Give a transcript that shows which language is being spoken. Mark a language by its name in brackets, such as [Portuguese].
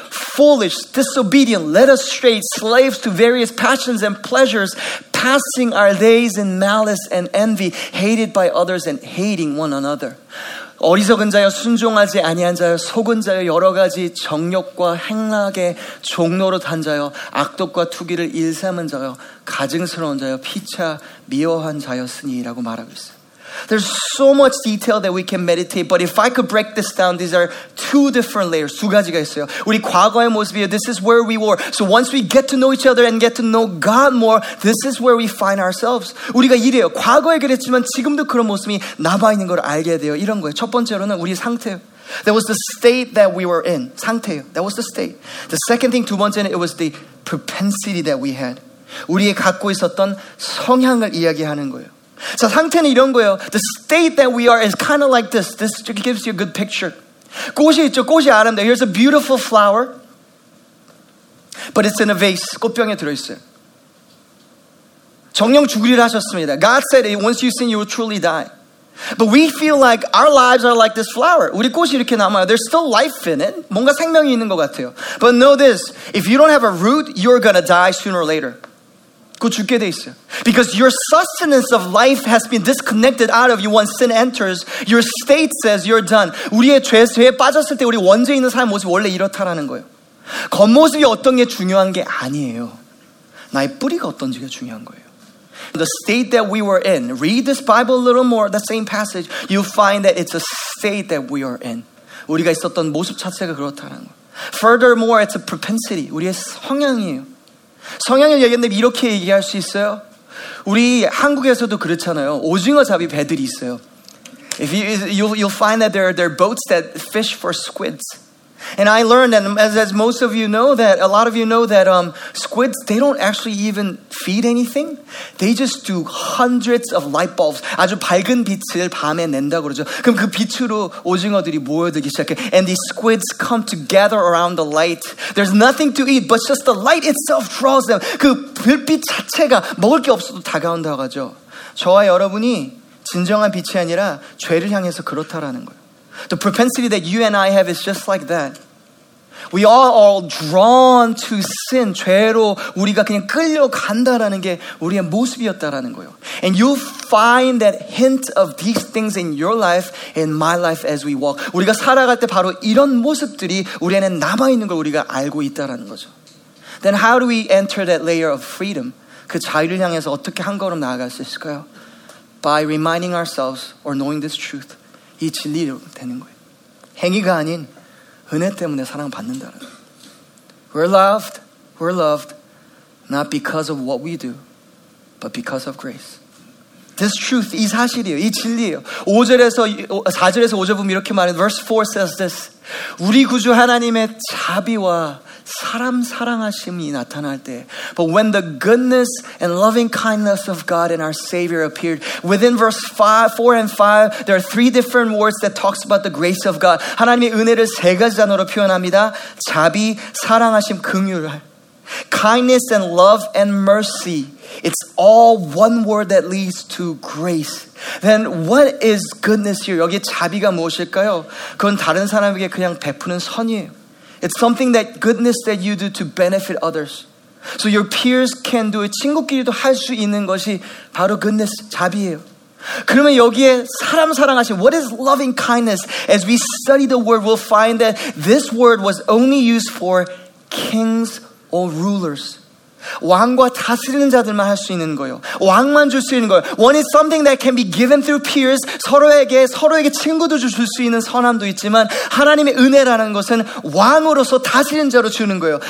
[English] Foolish, disobedient, led astray, slaves to various passions and pleasures, passing our days in malice and envy, hated by others and hating one another. [Korean] 어리석은 자요, 순종하지 아니한 자요, 속은 자요, 여러 가지 정욕과 행락의 종노릇 한 자요, 악독과 투기를 일삼은 자요, 가증스러운 자요, 피차 미워한 자였으니라고 말하고 있어요. [English] There's so much detail that we can meditate, but if I could break this down, these are two different layers. [Korean] 두 가지가 있어요. 우리 과거의 모습이에요. [English] This is where we were. So once we get to know each other and get to know God more, this is where we find ourselves. [Korean] 우리가 이래요. 과거에 그랬지만 지금도 그런 모습이 남아있는 걸 알게 돼요. 이런 거예요. 첫 번째로는 우리 상태예요. [English] That was the state that we were in. [Korean] 상태예요. [English] That was the state. The second thing, [Korean] 두 번째는 [English] it was the propensity that we had. [Korean] 우리의 갖고 있었던 성향을 이야기하는 거예요. 자, 상태는 이런 거예요. [English] The state that we are is kind of like this. This gives you a good picture. [Korean] 꽃이 있죠. 꽃이 아름다워. [English] Here's a beautiful flower. But it's in a vase. [Korean] 꽃병에 들어있어요. 정령 죽으리라 하셨습니다. [English] God said, once you sin, you will truly die. But we feel like our lives are like this flower. [Korean] 우리 꽃이 이렇게 남아요. [English] There's still life in it. [Korean] 뭔가 생명이 있는 것 같아요. [English] But know this. If you don't have a root, you're going to die sooner or later. [Korean] 곧 죽게 돼 있어요. [English] Because your sustenance of life has been disconnected out of you once sin enters. Your state says you're done. [Korean] 우리의 죄에 빠졌을 때 우리 원죄에 있는 삶의 모습이 원래 이렇다라는 거예요. 겉모습이 어떤 게 중요한 게 아니에요. 나의 뿌리가 어떤지가 중요한 거예요. [English] The state that we were in. Read this Bible a little more, the same passage. You'll find that it's a state that we are in. [Korean] 우리가 있었던 모습 자체가 그렇다는 거예요. [English] Furthermore, it's a propensity. [Korean] 우리의 성향이에요. 성향을 얘기했는데 이렇게 얘기할 수 있어요? 우리 한국에서도 그렇잖아요. 오징어 잡이 배들이 있어요. [English] If you'll find that there are boats that fish for squids. And I learned, and as most of you know, that a lot of you know that squids, they don't actually even feed anything. They just do hundreds of light bulbs. [Korean] 아주 밝은 빛을 밤에 낸다고 그러죠. 그럼 그 빛으로 오징어들이 모여들기 시작해. [English] And these squids come to gather around the light. There's nothing to eat, but just the light itself draws them. [Korean] 그 불빛 자체가 먹을 게 없어도 다가온다고 하죠. 저와 여러분이 진정한 빛이 아니라 죄를 향해서 그렇다라는 거예요. [English] The propensity that you and I have is just like that. We are all drawn to sin. [Korean] 죄로 우리가 그냥 끌려간다라는 게 우리의 모습이었다라는 거예요. [English] And you'll find that hint of these things in your life, in my life as we walk. [Korean] 우리가 살아갈 때 바로 이런 모습들이 우리 안에 남아있는 걸 우리가 알고 있다라는 거죠. [English] Then how do we enter that layer of freedom? [Korean] 그 자유를 향해서 어떻게 한 걸음 나아갈 수 있을까요? [English] By reminding ourselves or knowing this truth. [Korean] 이 진리로 되는 거예요. 행위가 아닌 은혜 때문에 사랑받는다는 거예요. [English] We're loved not because of what we do, but because of grace. This truth, [Korean] 이 사실이에요. 이 진리예요. 5절에서 4절에서 5절 보면 이렇게 말해요. [English] Verse 4 says this. [Korean] 우리 구주 하나님의 자비와 사람 사랑하심이 나타날 때, [English] but when the goodness and loving kindness of God and our Savior appeared, within verse 4 and 5, there are three different words that talks about the grace of God. [Korean] 하나님의 은혜를 세 가지 단어로 표현합니다. 자비, 사랑하심, 긍휼. [English] Kindness and love and mercy. It's all one word that leads to grace. Then what is goodness here? [Korean] 여기 자비가 무엇일까요? 그건 다른 사람에게 그냥 베푸는 선이에요. [English] It's something that goodness that you do to benefit others. So your peers can do it. [Korean] 친구끼리도 할 수 있는 것이 바로 goodness, 자비예요. 그러면 여기에 사람 사랑하신, [English] what is loving kindness? As we study the word, we'll find that this word was only used for kings or rulers. [Korean] 왕과 다스리는 자들만 할 수 있는 거예요. 왕만 줄 수 있는 거예요. [English] One is something that can be given through peers. [Korean] 서로에게 친구도 줄 수 있는 선함도 있지만 하나님의 은혜라는 것은 왕으로서 다스리는 자로 주는 거예요.